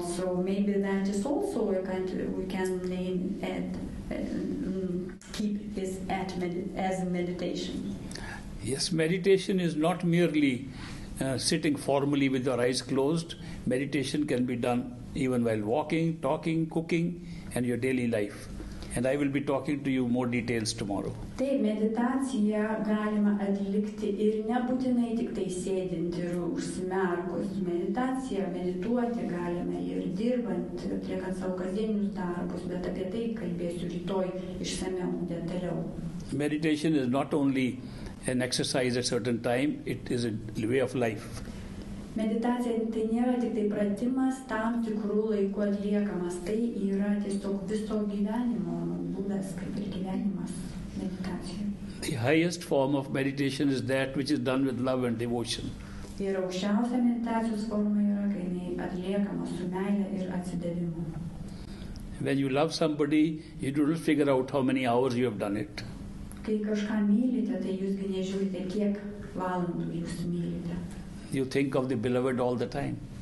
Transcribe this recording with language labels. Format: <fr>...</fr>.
<en>So maybe that is also a kind of, we can name it, keep this at as meditation. Yes, meditation is not merely sitting formally with your eyes closed. Meditation can be done even while walking, talking, cooking, and your daily life. And I will be talking to you more details tomorrow.</en> <lt>Taip, meditaciją galima atlikti ir nebūtinai tik tai sėdint ir užsimerkus. Meditaciją, medituoti galima ir dirbant, atliekant savo kasdienius darbus, bet apie tai kalbėsiu rytoj išsamiau, detaliau.</lt> <en>Meditation is not only an exercise at a certain time, it is a way of life.</en> <lt>Meditacija tai nėra tik tai pratimas tam tikrų laikų atliekamas. Tai yra tiesiog viso gyvenimo būdas, kaip ir gyvenimas meditacija.</lt> <en>The highest form of meditation is that which is done with love and devotion.</en> <lt>Ir aukščiausia meditacijos forma yra, kai jinai atliekama su meile ir atsidavimu.</lt> <en>When you love somebody, you do not figure out how many hours you have done it.</en> <lt>Kai kažką mylite, tai jūs nežiūrite, kiek valandų jūs mylite.</lt> <en>You think of the beloved all the time.</en>